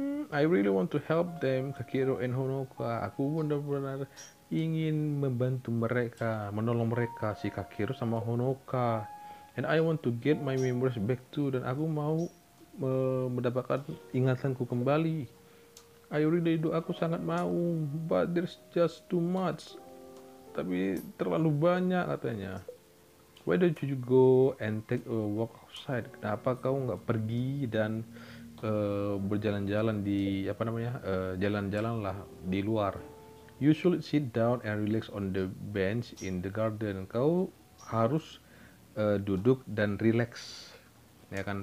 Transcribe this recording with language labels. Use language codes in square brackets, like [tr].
[en] I really want to help them, [id] Kakiro and Honoka. Aku benar-benar ingin membantu mereka, menolong mereka, si Kakiro sama Honoka. [en] And I want to get my memories back too. [id] Dan aku mau mendapatkan ingatanku kembali. [en] I really do, [id] aku sangat mau. [en] But there's just too much. [id] Tapi terlalu banyak katanya. [en] Why don't you go and take a walk outside? [id] Kenapa kau nggak pergi dan berjalan-jalan di apa namanya jalan-jalan lah di luar? [en] You should sit down and relax on the bench in the garden. [id] Kau harus duduk dan relax, ya kan?